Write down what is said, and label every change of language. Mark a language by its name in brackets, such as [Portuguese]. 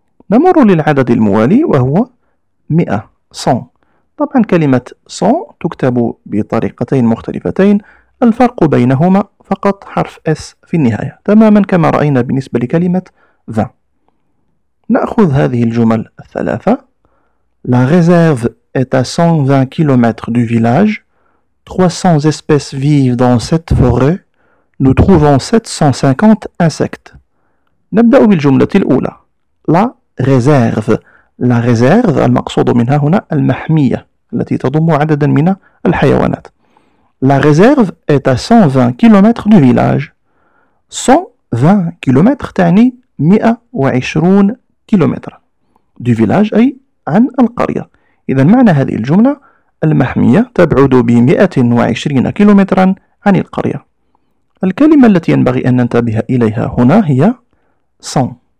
[Arabic] نمر للعدد الموالي وهو 100 100. طبعا كلمة 100 تكتب بطريقتين مختلفتين، الفرق بينهما فقط حرف S في النهاية تماما كما رأينا بالنسبة لكلمة ذا. نأخذ هذه الجمل الثلاثة. [French] La réserve est à 120 km du village. 300 espèces vivent dans cette forêt. Nous trouvons 750 insectes. [Arabic] نبدأ بالجملة الأولى. [French] La réserve. [Arabic] La réserve المقصود منها هنا المحمية التي تضم عددا من الحيوانات. [French] La réserve est à 120 km du village. [Arabic] 120 km تعني 120 كيلومتر. دو فيلاج أي عن القرية. إذا معنى هذه الجملة المحمية تبعد ب 120 كيلومترا عن القرية. الكلمة التي ينبغي أن ننتبه إليها هنا هي 100.